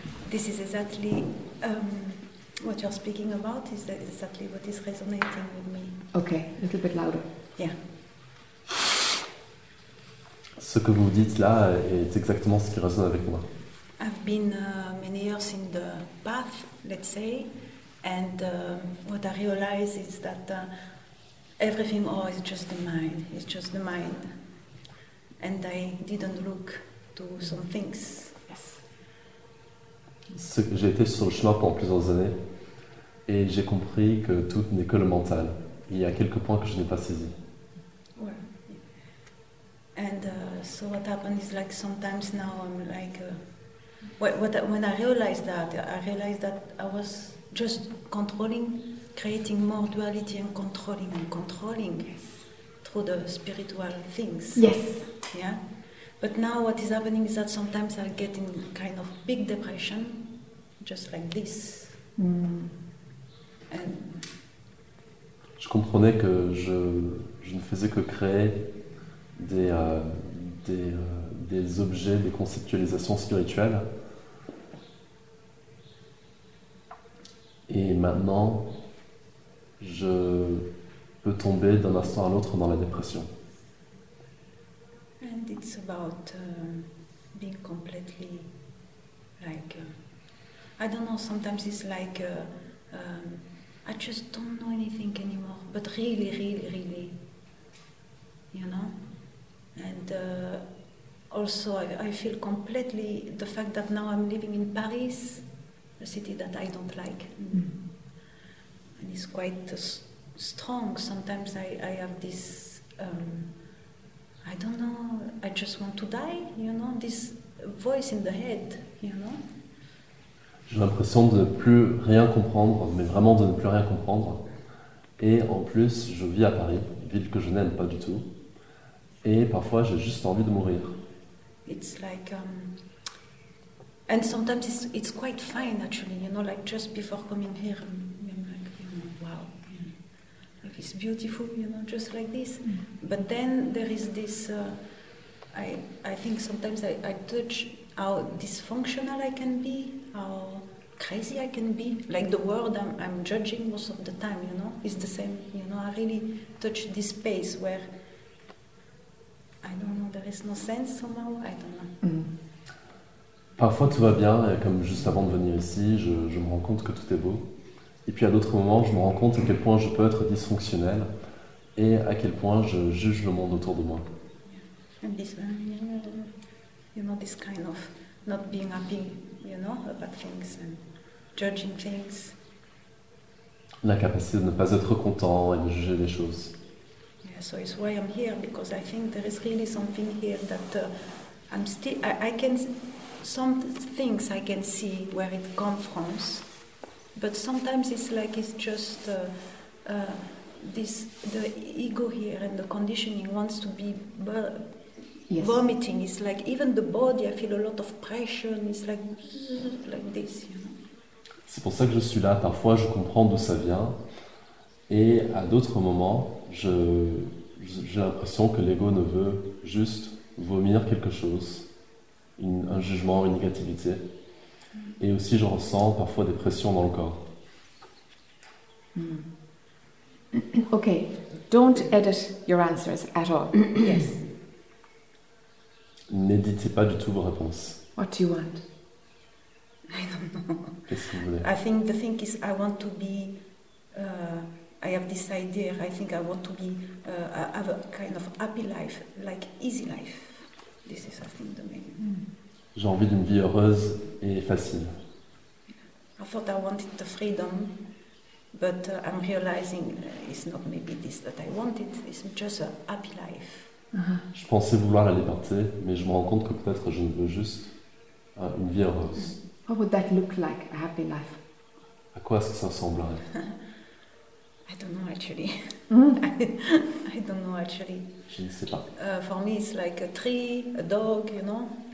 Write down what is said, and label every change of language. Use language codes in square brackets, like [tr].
[en] This is exactly what you're speaking about, is exactly what is resonating with me. Okay, a little bit louder. Yeah. [fr] Ce que vous dites là est exactement ce qui résonne avec moi. [en] I've been many years in the path, let's say, and what I realize is that everything, is just the mind, it's just the mind. And I didn't look to some things. [fr] J'ai été sur le chemin pendant plusieurs années et j'ai compris que tout n'est que le mental. Il y a quelques points que je n'ai pas saisis. [en] Well, yeah. And so what happened is like sometimes now I'm like when I realized that I was just controlling, creating more duality and controlling through the spiritual things. Yes. Yeah. But now what is happening is that sometimes I get in kind of big depression. Just like this. And [fr] je comprenais que je ne faisais que créer des objets, des conceptualisations spirituelles. Et maintenant, je peux tomber d'un instant à l'autre dans la dépression. [en] And it's about being completely like. I don't know, sometimes it's like, I just don't know anything anymore, but really, really, really, you know? And also, I feel completely, the fact that now I'm living in Paris, a city that I don't like, and it's quite strong, sometimes I have this, I don't know, I just want to die, you know, this voice in the head, you know? [fr] J'ai l'impression de ne plus rien comprendre, mais vraiment de ne plus rien comprendre. Et en plus, je vis à Paris, ville que je n'aime pas du tout. Et parfois, j'ai juste envie de mourir. [en] It's like, and sometimes it's quite fine actually, you know, like just before coming here, I'm like, you know, wow, like it's beautiful, you know, just like this. But then there is this, I think sometimes I touch how dysfunctional I can be. How crazy I can be, like the world I'm judging most of the time, you know, it's the same, you know, I really touch this space where, I don't know, there is no sense somehow, I don't know. [fr] Parfois tout va bien, comme juste avant de venir ici, je me rends compte que tout est beau, et puis à d'autres moments, je me rends compte à quel point je peux être dysfonctionnel, et à quel point je juge le monde autour de moi. [en] And this, you know, this kind of not being happy. You know, about things and judging things. [fr] La capacité de ne pas être content et de juger les choses. [en] Yeah, so it's why I'm here, because I think there is really something here that I'm still, I can, some things I can see where it comes from, but sometimes it's like it's just this, the ego here and the conditioning wants to be yes. Vomiting, it's like even the body, I feel a lot of pressure, and it's like this, you know. [fr] C'est pour ça que je suis là. Parfois, je comprends d'où ça vient. Et à d'autres moments, j'ai l'impression que l'ego ne veut juste vomir quelque chose, un jugement, une négativité. Et aussi, je ressens parfois des pressions dans le corps. [en] Okay, don't edit your answers at all. Yes. [fr] N'éditez pas du tout vos réponses. [en] What do you want? I don't know. [fr] Qu'est-ce que vous voulez? [en] I think the thing is, I want to be. I have this idea. I think I want to be have a kind of happy life, like easy life. This is, I think, the main. [fr] J'ai envie d'une vie heureuse et facile. [en] I thought I wanted the freedom. But I'm realizing it's not maybe this that I wanted, it's just a happy life. [fr] Je pensais vouloir la liberté, mais je me rends compte que peut-être je ne veux juste une vie heureuse. [en] What would that look like, a happy life? [fr] À quoi est-ce que ça ressemblerait? [en] I don't know actually. I don't know actually. [fr] Je ne sais pas. [en] For me, it's like a tree, a dog, you know?